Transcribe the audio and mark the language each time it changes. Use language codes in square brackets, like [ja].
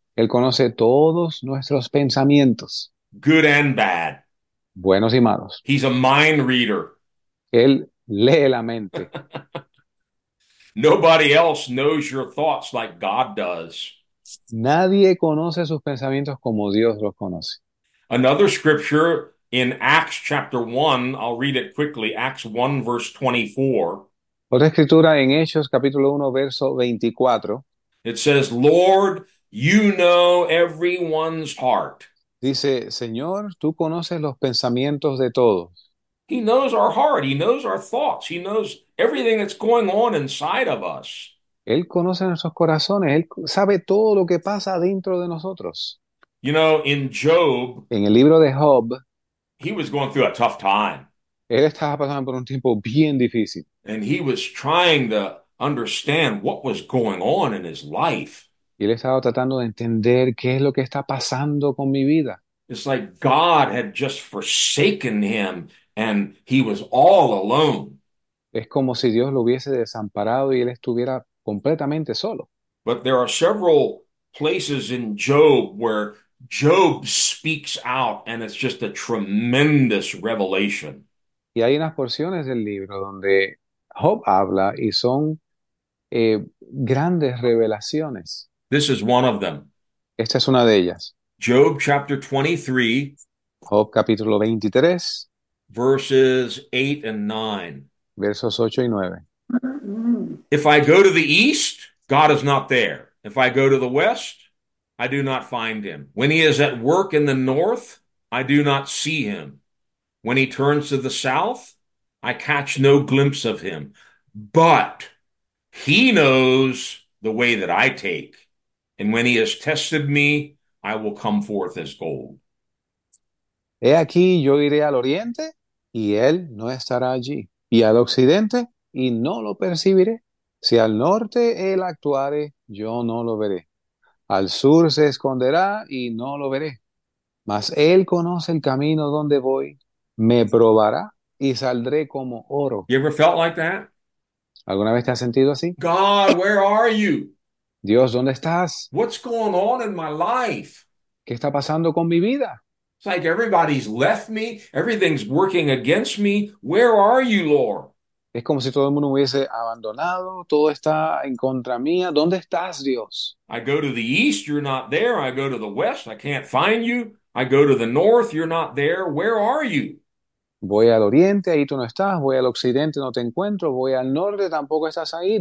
[es] Él conoce todos nuestros pensamientos. [en] good and bad. [es] Buenos y malos. [en] He's a mind reader. [es] Él lee la mente. [en] Nobody else knows your thoughts like God does. [es] Nadie conoce sus pensamientos como Dios los conoce. [en] Another scripture in Acts chapter 1, I'll read it quickly, Acts 1, verse 24. [es] Otra escritura en Hechos capítulo 1, verso 24. [en] It says, "Lord, you know everyone's heart." [es] Dice, Señor, tú conoces los pensamientos de todos. [en] He knows our heart. He knows our thoughts. He knows everything that's going on inside of us. [es] Él conoce nuestros corazones, él sabe todo lo que pasa dentro de nosotros. [en] In Job, [es] En el libro de Job, [en] he was going through a tough time. [es] él estaba pasando por un tiempo bien difícil. [en] And he was trying to understand what was going on in his life. [es] Y él estaba tratando de entender qué es lo que está pasando con mi vida. [en] It's like God had just forsaken him and he was all alone. [es] Es como si Dios lo hubiese desamparado y él estuviera completamente solo. [en] But there are several places in Job where Job speaks out and it's just a tremendous revelation. [es] Y hay unas porciones del libro donde Job habla y son grandes revelaciones. [en] This is one of them. [es] Esta es una de ellas. [en] Job chapter 23, [es] Job capítulo 23, [en] verses 8 and 9. [es] versos 8 y 9. [en] If I go to the east, God is not there. If I go to the west, I do not find him. When he is at work in the north, I do not see him. When he turns to the south, I catch no glimpse of him. But he knows the way that I take. And when he has tested me, I will come forth as gold. [es] He aquí, yo iré al oriente y él no estará allí, y al occidente y no lo percibiré. Si al norte él actuare, yo no lo veré. Al sur se esconderá y no lo veré. Mas él conoce el camino donde voy, me probará y saldré como oro. [en] You ever felt like that? [es] ¿Alguna vez te has sentido así? [en] God, where are you? [es] Dios, ¿dónde estás? [en] What's going on in my life? [es] ¿Qué está pasando con mi vida? [en] It's like everybody's left me. Everything's working against me. Where are you, Lord? [es] Es como si todo el mundo hubiese abandonado, todo está en contra mía. ¿Dónde estás, Dios? [en] I go to the east, you're not there. I go to the west, I can't find you. I go to the north, you're not there. Where are you? [es] Voy al oriente, ahí tú no estás. Voy al occidente, no te encuentro. Voy al norte, tampoco estás ahí.